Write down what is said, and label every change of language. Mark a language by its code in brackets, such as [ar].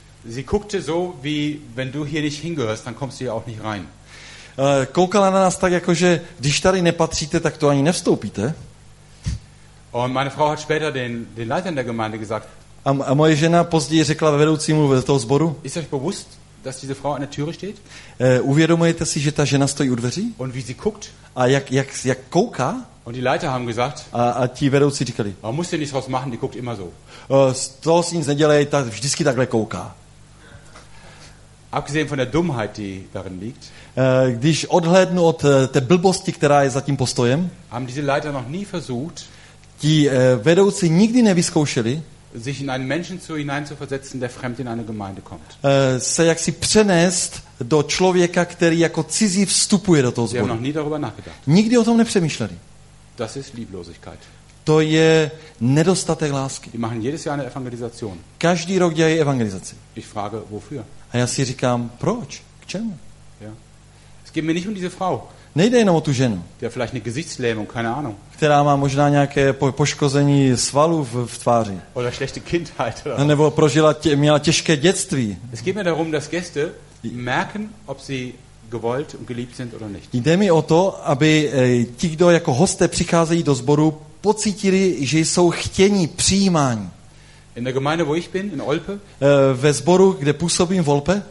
[de] Sie guckte so, wie wenn du hier nicht hingehörst, dann kommst du hier auch nicht rein. [cs] Koukala na nás tak, jakože když tady nepatříte, tak to ani nevstoupíte. [de] Und meine Frau hat später den Leitern der Gemeinde gesagt. [cs] A moje žena později řekla vedoucímu toho sboru. [de] Ist euch bewusst, dass diese Frau an der Türe steht? [cs] Uvědomujete si, že ta žena stojí u dveří? [de] Und wie sie guckt? [cs] A jak kouká? [de] Und die Leiter haben gesagt. [cs] A ti vedoucí říkali. [de] Man muss ja nichts draus machen, die guckt immer so. [cs] Toho si nic nedělej, ta vždycky takhle kouká. [de] Abgesehen von der Dummheit, die darin liegt. [cs] Když odhlédnu od té blbosti, která je za tím postojem. [de] Haben diese Leiter noch nie versucht. [cs] Ti vedoucí nikdy nevyzkoušeli [de] sich in einen Menschen zu hineinzuversetzen, der fremd in eine Gemeinde kommt. [cs] Se jaksi přenést do člověka, který jako cizí vstupuje do toho sboru. [de] Noch nie darüber nachgedacht. [cs] Nikdy o tom nepřemýšleli. [de] Das ist Lieblosigkeit. [cs] To je nedostatek lásky. [de] Die machen jedes Jahr eine Evangelisation. [cs] Každý rok dělají evangelizaci. [de] Ich frage, wofür? [cs] A já si říkám, proč? K čemu? [de] Ja. Es geht mir nicht um diese Frau. [cs] Nejde jenom o tu ženu. [de] Die hat vielleicht eine Gesichtslähmung, keine Ahnung. [cs] Která má možná nějaké poškození svalů v tváři. [de] Oder schlechte Kindheit. [cs] Nebo prožila měla těžké dětství. [de] Es geht mir darum, dass Gäste merken, ob sie gewollt und geliebt sind oder nicht. [cs] Jde mi o to, aby ti, kdo jako hosté přicházejí do sboru, pocítili, že jsou chtěni, přijímáni. [de] In der Gemeinde, wo ich bin, in Olpe. [cs] Ve sboru, kde působím v Olpe.